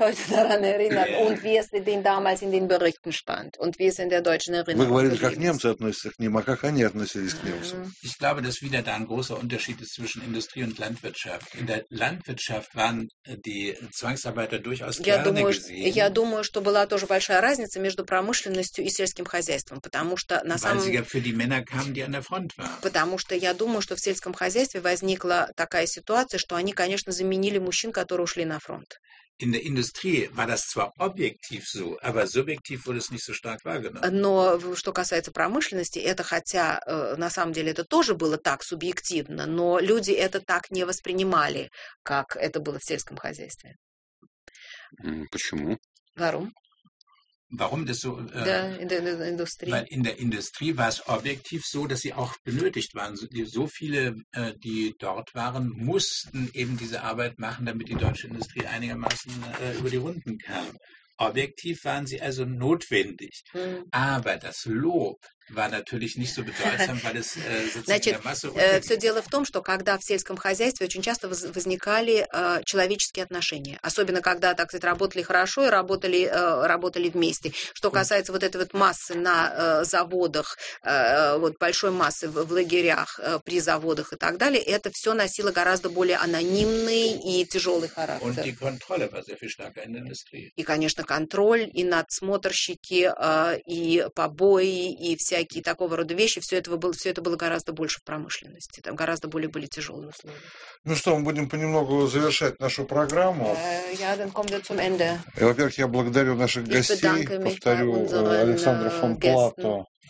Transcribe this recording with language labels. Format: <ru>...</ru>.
<de>heute daran erinnern und wie es denn damals in den Berichten stand und wie es in der deutschen Erinnerung.</de> <ru>Вы говорили, как немцы относятся к ним, а как они относились к немцам?</ru> <de>Ich glaube, dass wieder da ein großer Unterschied ist zwischen Industrie und Landwirtschaft. In der Landwirtschaft waren die Zwangsarbeiter durchaus gerne gesehen.</de> <ru>Я думаю, что была тоже большая разница между промышленностью и сельским хозяйством, потому что на самом.</ru> <de>Weil sie für die Männer kamen, die an der Front waren.</de> <ru>Потому что я думаю, что в сельском хозяйстве возникла такая ситуация, что они, конечно, заменили мужчин, которые ушли на фронт.</ru> <de>In der Industrie war das zwar objektiv so, aber subjektiv wurde es nicht so stark wahrgenommen.</de> <ru>Но что касается промышленности, это хотя на самом деле это тоже было так субъективно, но люди это так не воспринимали, как это было в сельском хозяйстве. Почему?</ru> <de>Warum? Warum das so? In der Industrie. Weil in der Industrie war es objektiv so, dass sie auch benötigt waren. So viele, die dort waren, mussten eben diese Arbeit machen, damit die deutsche Industrie einigermaßen über die Runden kam. Objektiv waren sie also notwendig. Aber das Lob war natürlich nicht so bedeutsam, weil es sozusagen der Masse.</de> <ru>Все дело в том, что когда в сельском хозяйстве очень часто возникали человеческие отношения, особенно когда, так сказать, работали хорошо и работали вместе. Что касается вот этой вот массы на заводах, вот большой массы в лагерях, при заводах и так далее, это все носило гораздо более анонимный и тяжелый характер.</ru> <de>Und die Kontrolle war sehr viel stärker in der Industrie.</de> <ru>И, конечно, контроль и надсмотрщики, и побои, и всякие такого рода вещи, все это было гораздо больше в промышленности, там гораздо более были тяжелые условия. Ну что, мы будем понемногу завершать нашу программу. Я, во-первых, я благодарю наших гостей, повторю, Александра фон Плато</ru>